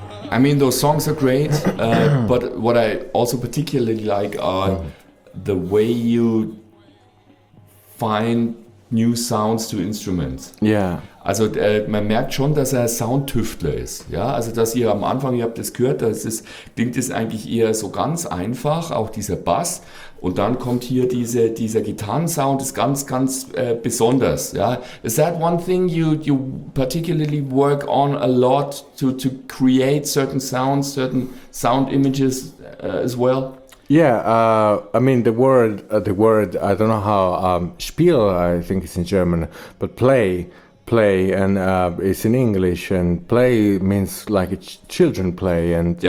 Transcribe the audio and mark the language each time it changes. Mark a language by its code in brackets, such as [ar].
[en] I mean, those songs are great, but what I also particularly like are the way you find new sounds to instruments. [de] Ja. Also man merkt schon, dass er Soundtüftler ist. Ja, also dass ihr am Anfang, ihr habt das gehört, das ist, klingt es eigentlich eher so ganz einfach, auch dieser Bass. Und dann kommt hier dieser Gitarrensound, ist ganz, ganz besonders. Ja. [en] Is that one thing you particularly work on a lot to create certain sounds, certain sound images as well? Yeah, I mean the word I don't know how Spiel I think it's in German, but play and it's in English, and play means like children play, and